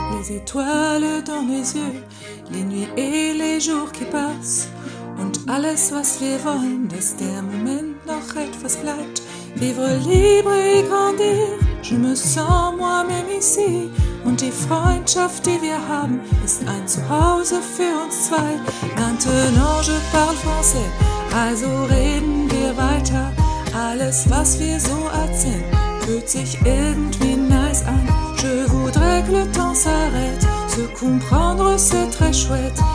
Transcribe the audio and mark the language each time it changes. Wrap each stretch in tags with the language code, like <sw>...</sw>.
<fr>Étoiles dans mes yeux, les nuits et les jours qui passent.</fr> <de>Und alles, was wir wollen, dass der Moment noch etwas bleibt.</de> <fr>Vivre libre et grandir, je me sens moi-même ici.</fr> <de>Und die Freundschaft, die wir haben, ist ein Zuhause für uns zwei.</de> <fr>Maintenant je parle français,</fr> <de>also reden wir weiter. Alles, was wir so erzählen, fühlt sich irgendwie nice an.</de> <fr>Je voudrais que le temps s'arrête, se comprendre c'est très chouette.</fr>